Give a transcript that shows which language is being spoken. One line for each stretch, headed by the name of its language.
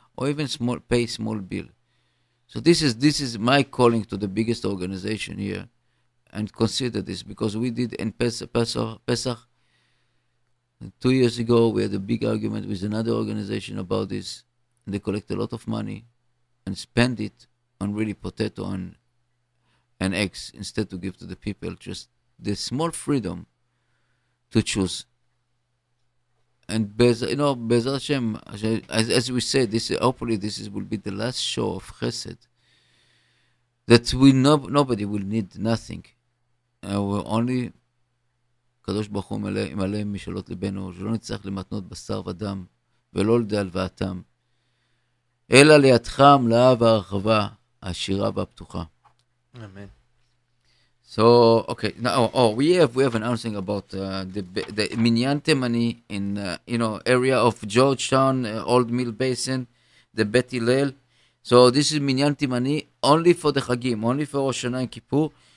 English: or even small pay small bill. So this is my calling to the biggest organization here, and consider this, because we did in Pesach 2 years ago, we had a big argument with another organization about this, and they collect a lot of money and spend it on really potato and eggs instead to give to the people just the small freedom to choose. And Bezal Hashem, as we said, hopefully this will be the last show of Chesed, that nobody will need nothing. We're only
Hebrew: קדוש ברוך הוא מלא משאלות לבנו, שלא נצטרך למתנות בשר ודם, ולא לדי הלוואתם, אלא לידכם לאהב הרחבה, העשירה והפתוחה. אמן.
English: So, okay, now, we have an announcement about the Minyan Temani in, area of Georgetown, Old Mill Basin, the Bet Hillel. So this is Minyan Temani only for the Chagim, only for Rosh Hashanah and Kippur.